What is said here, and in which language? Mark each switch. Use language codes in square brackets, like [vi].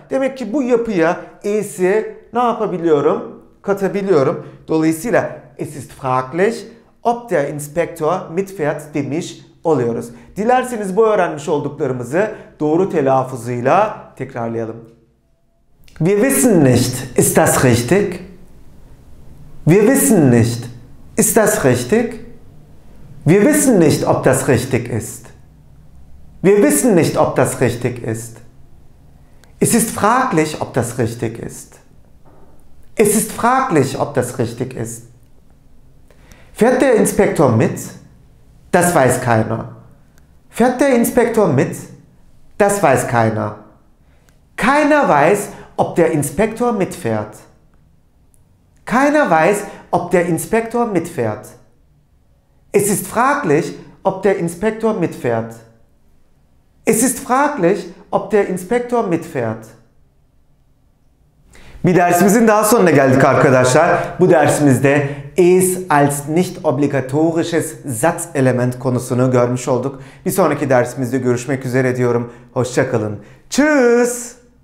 [tr] Demek ki bu yapıya es'i ne yapabiliyorum? Katabiliyorum. Dolayısıyla [de] es ist fraglich, ob der Inspektor mitfährt [tr] demiş oluyoruz. Dilerseniz bu öğrenmiş olduklarımızı doğru telaffuzuyla tekrarlayalım. [de] Wir wissen nicht, ist das richtig? Wir wissen nicht, ist das richtig? Wir wissen nicht, ob das richtig ist. Wir wissen nicht, ob das richtig ist. Es ist fraglich, ob das richtig ist. Es ist fraglich, ob das richtig ist. Fährt der Inspektor mit? Das weiß keiner. Fährt der Inspektor mit? Das weiß keiner. Keiner weiß, ob der Inspektor mitfährt. Keiner weiß, ob der Inspektor mitfährt. Es ist fraglich, ob der Inspektor mitfährt. Es ist fraglich, ob der Inspektor mitfährt. [tr] Bir dersimizin daha sonuna geldik arkadaşlar. Bu dersimizde [de] is als nicht obligatorisches Satzelement [tr] konusunu görmüş olduk. Bir sonraki dersimizde görüşmek üzere diyorum. Hoşça kalın. Tschüss.